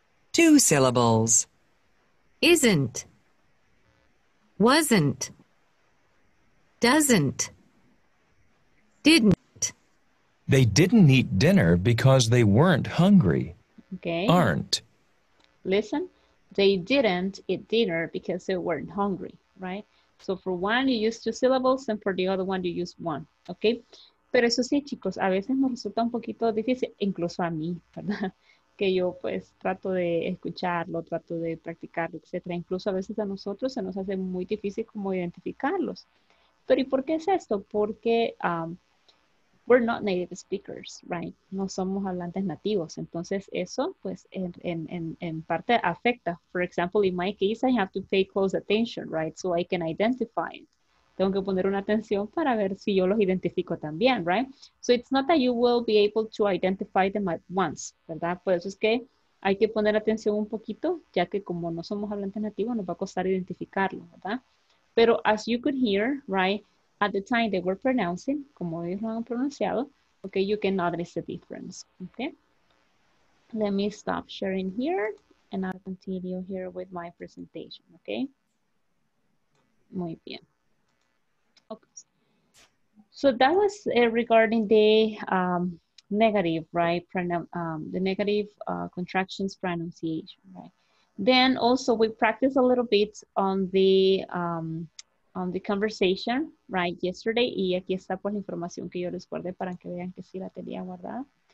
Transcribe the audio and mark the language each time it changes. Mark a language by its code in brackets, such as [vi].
[en] Two syllables. Isn't. Wasn't. Doesn't. Didn't. They didn't eat dinner because they weren't hungry. Okay. Aren't. Listen. They didn't eat dinner because they weren't hungry, right? So for one, you use two syllables, and for the other one, you use one, okay? [es] Pero eso sí, chicos, a veces nos resulta un poquito difícil, incluso a mí, ¿verdad? Que yo pues trato de escucharlo, trato de practicarlo, etcétera. Incluso a veces a nosotros se nos hace muy difícil como identificarlos. Pero ¿y por qué es esto? Porque [en] we're not native speakers, right? [es] No somos hablantes nativos. Entonces eso, pues, en parte afecta. [en] For example, in my case, I have to pay close attention, right? So I can identify it. [es] Tengo que poner una atención para ver si yo los identifico también, right? [en] So it's not that you will be able to identify them at once, ¿verdad? [es] Por eso es que hay que poner atención un poquito, ya que como no somos hablantes nativos, nos va a costar identificarlo, ¿verdad? [en] Pero as you could hear, right, at the time they were pronouncing, [es] como ellos lo han pronunciado, [en] okay, you can notice the difference, okay? Let me stop sharing here, and I'll continue here with my presentation, okay? [es] Muy bien. [en] Okay, so that was regarding the negative, right? The negative contractions pronunciation, right? Then also we practiced a little bit on the conversation, right? [es] Yesterday, y aquí está por la información que yo les guardé para que vean que sí la tenía guardada.